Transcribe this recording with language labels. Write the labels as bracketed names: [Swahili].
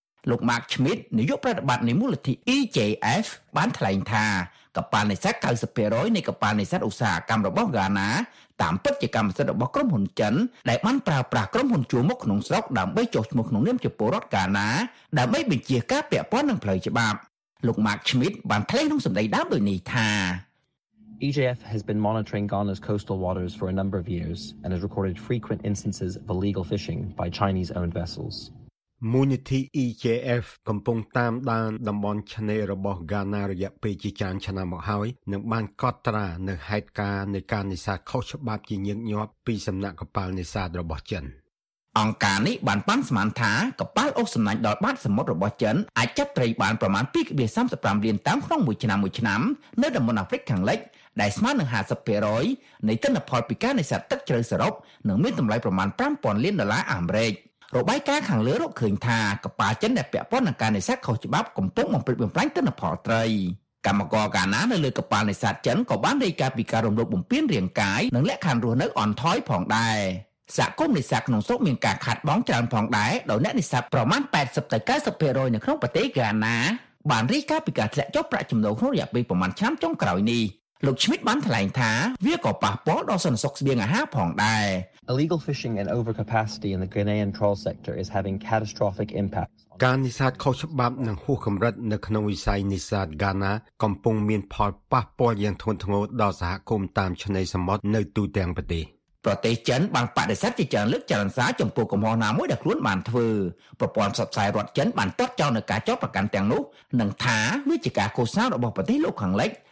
[Khmer] លោក Mark Schmidt នាយកប្រតិបត្តិនៃមូលនិធិ EJF បានថ្លែងថាកប៉ាល់នេសាទ 90% នៃកប៉ាល់នេសាទឧស្សាហកម្មរបស់ Ghana តាមពិតជាកម្មសិទ្ធិរបស់ក្រុមហ៊ុនចិនដែលបានប្រើប្រាស់ក្រុមហ៊ុនជួមុខក្នុងស្រុកដើម្បីចុះឈ្មោះក្នុងនាមជាពលរដ្ឋ Ghana ដើម្បីបញ្ជាការពាក់ព័ន្ធនឹងផ្លូវច្បាប់លោក Mark Schmidt បានថ្លែងក្នុងសម្ដីដើមដូចនេះថា [English] EJF has been monitoring Ghana's coastal waters for a number of years and has recorded frequent instances of illegal fishing by Chinese owned vessels. [Khmer] មូនីធី EJF កំពុងតាមដានតំបន់ឆ្នេររបស់ Ghana រយៈពេលជាច្រើនឆ្នាំមកហើយនឹងបានកត់ត្រានៅហេតុការណ៍នៃការនេសាទខុសច្បាប់ជាញឹកញាប់ពីសំណាក់កប៉ាល់នេសាទរបស់ចិន អង្គការនេះបានប៉ាន់ស្មានថាកប៉ាល់អូសសំណាញ់ដល់បាតសមុទ្ររបស់ចិនអាចចាប់ត្រីបានប្រមាណ 2.35 លានតោនក្នុងមួយឆ្នាំមួយឆ្នាំនៅតំបន់អាហ្វ្រិកខាងលិចដែលស្មើនឹង 50% នៃទិន្នផលពីការនេសាទទឹកជ្រៅសរុបនិងមានតម្លៃប្រមាណ 5,000 លានដុល្លារអាមេរិករបាយការណ៍ខាងលើរកឃើញថាកប៉ាល់ចិនដែលពាក់ព័ន្ធនឹងការនេសាទខុសច្បាប់កំពុងបំពេញបំលែងទិន្នផលត្រី កម្មករកាណានៅលើកប៉ាល់នេសាទចិនក៏បានរាយការណ៍ពីការរំលោភបំពានរាងកាយនិងលក្ខខណ្ឌរស់នៅអន់ថយផងដែរសហគមន៍នេសាទក្នុងស្រុកមានការខាតបង់ច្រើនផងដែរដោយអ្នកនេសាទប្រមាណ 80-90% នៅក្នុងប្រទេសកាណាបានរាយការណ៍ពីការធ្លាក់ចុះប្រាក់ចំណូលក្នុងរយៈពេលប្រមាណឆ្នាំចុងក្រោយនេះលោក Schmidt បានថ្លែងថាវាក៏ប៉ះពាល់ដល់សន្តិសុខស្បៀងអាហារផងដែរ [English] Illegal fishing and overcapacity in the Ghanaian trawl sector is having catastrophic impacts on [Khmer] ការនេសាទខុសច្បាប់និងហួសកម្រិតនៅក្នុងវិស័យនេសាទ Ghana កំពុងមានផលប៉ះពាល់យ៉ាងធ្ងន់ធ្ងរដល់សហគមន៍តាមឆ្នេរសមុទ្រនៅទូទាំងប្រទេស ប្រទេសចិនបានបដិសេធជាច្រើនលើកច្រើនសារចំពោះកំហុសណាមួយដែលខ្លួនបានធ្វើប្រព័ន្ធផ្សព្វផ្សាយរដ្ឋចិនបានតបចោលនឹងការចោទប្រកាន់ទាំងនោះនិងថាវាជាការកុសលរបស់ប្រទេសលោកខាងលិច